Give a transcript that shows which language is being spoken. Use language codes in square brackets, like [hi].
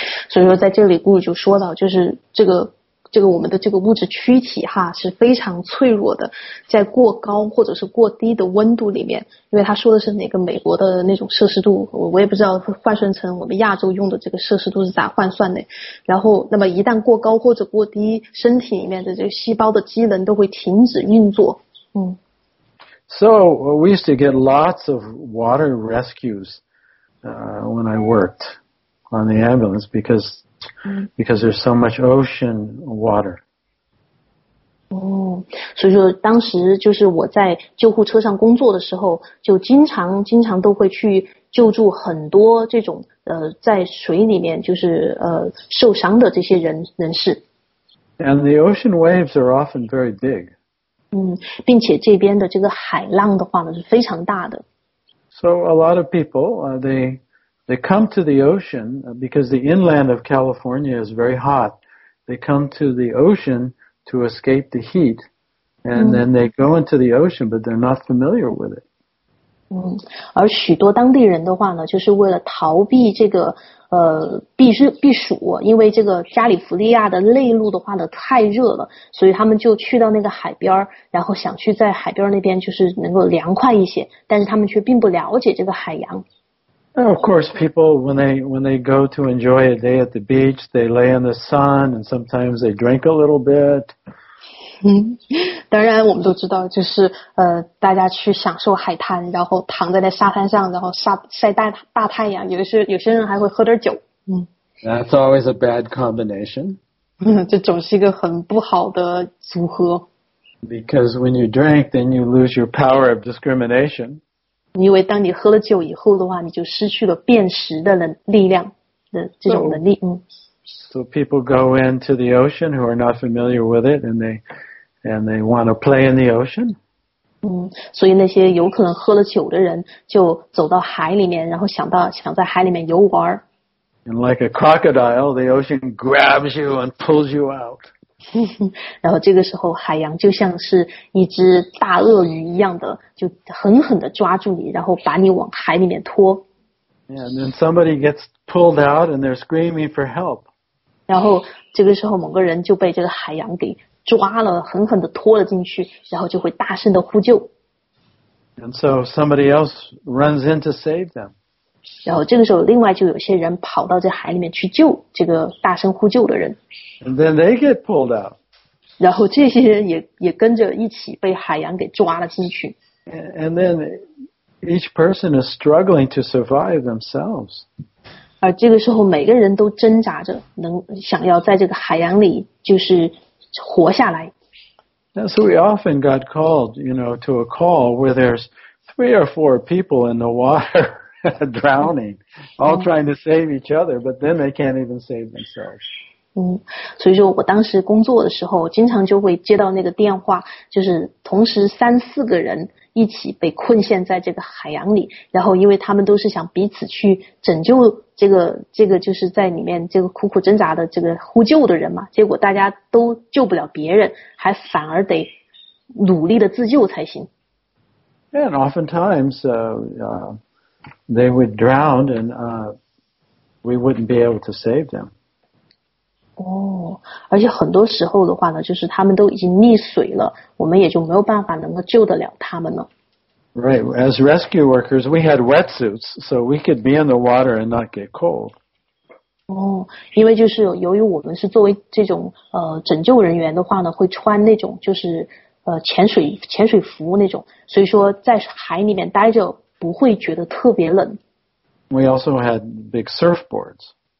[zh] 所以说在这里故事就说到，就是这个我们的这个物质躯体哈是非常脆弱的，在过高或者是过低的温度里面，因为他说的是哪个美国的那种摄氏度，我也不知道换算成我们亚洲用的这个摄氏度是咋换算的。然后那么一旦过高或者过低，身体里面的这个细胞的机能都会停止运作。 [en] So we used to get lots of water rescues when I worked on the ambulance because there's so much ocean water. [zh] 所以说当时就是我在救护车上工作的时候，就经常都会去救助很多这种在水里面就是受伤的这些人士。 [en] And the ocean waves are often very big. [zh] 并且这边的这个海浪的话呢是非常大的。 [en] So a lot of people, they come to the ocean because the inland of California is very hot. They come to the ocean to escape the heat, and then they go into the ocean, but they're not familiar with it. [zh] 而许多当地人的话呢，就是为了逃避这个避暑，因为这个加利福尼亚的内陆的话呢太热了，所以他们就去到那个海边，然后想去在海边那边就是能够凉快一些，但是他们却并不了解这个海洋。 [en] Of course, people, when they go to enjoy a day at the beach, they lay in the sun and sometimes they drink a little bit. [zh] 当然我们都知道就是大家去享受海滩，然后躺在那沙滩上，然后晒大太阳，有些人还会喝点酒。 [en] That's always a bad combination. [zh] 这总是一个很不好的组合。 [en] Because when you drink, then you lose your power of discrimination. [zh] 因为当你喝了酒以后的话，你就失去了辨识的力量的这种能力。 [en] So people go into the ocean who are not familiar with it, and they want to play in the ocean. [zh] 所以那些有可能喝了酒的人就走到海里面，然后想在海里面游玩。 [en] And like a crocodile, the ocean grabs you and pulls you out. [zh] 然后这个时候海洋就像是一只大鳄鱼一样的，就狠狠地抓住你，然后把你往海里面拖。 [en] And then somebody gets pulled out and they're screaming for help. [zh] 然后这个时候某个人就被这个海洋给抓了，狠狠地拖了进去，然后就会大声地呼救。 [en] And so somebody else runs in to save them. [zh] 然后这个时候另外就有些人跑到这海里面去救这个大声呼救的人。 [en] And then they get pulled out. [zh] 然后这些人也跟着一起被海洋给抓了进去。 [en] And then each person is struggling to survive themselves. [zh] 而这个时候每个人都挣扎着能想要在这个海洋里就是活下来。 [en] And so we often got called, you know, to a call where there's three or four people in the water drowning, all trying to save each other, but then they can't even save themselves. [zh] 所以说我当时工作的时候经常就会接到那个电话，就是同时三四个人一起被困陷在这个海洋里，然后因为他们都是想彼此去拯救这个就是在里面这个苦苦挣扎的这个呼救的人嘛，结果大家都救不了别人，还反而得努力的自救才行。 [en] And oftentimes they would drown and we wouldn't be able to save them. [zh] 而且很多时候的话呢，就是他们都已经溺水了，我们也就没有办法能够救得了他们了。 [en] Right, as rescue workers, we had wetsuits, so we could be in the water and not get cold. [zh] 因为就是由于我们是作为这种拯救人员的话呢，会穿那种就是潜水服那种，所以说在海里面待着不会觉得特别冷。 [en] We also had big surfboards.